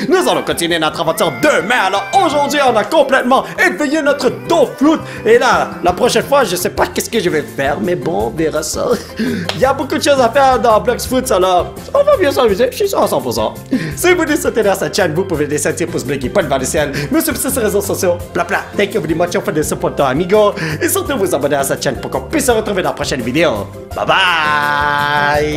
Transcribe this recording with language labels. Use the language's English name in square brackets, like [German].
[French] Nous allons continuer notre aventure demain. Alors aujourd'hui, on a complètement éveillé notre dos flûte. Et là, la prochaine fois, je sais pas qu'est-ce que je vais faire. Mais bon, on verra ça. Il y a beaucoup de choses à faire dans BloxFoot. Alors, on va bien s'amuser. Je suis sûr à 100%. Si vous voulez soutenir cette chaîne, vous pouvez laisser un petit pouce bleu qui pointe vers le ciel, me suivre sur les réseaux sociaux, bla bla. [English] Thank you very much for the support, amigo. [French] Et surtout, vous abonner à cette chaîne pour qu'on puisse se retrouver dans la prochaine vidéo. Bye bye!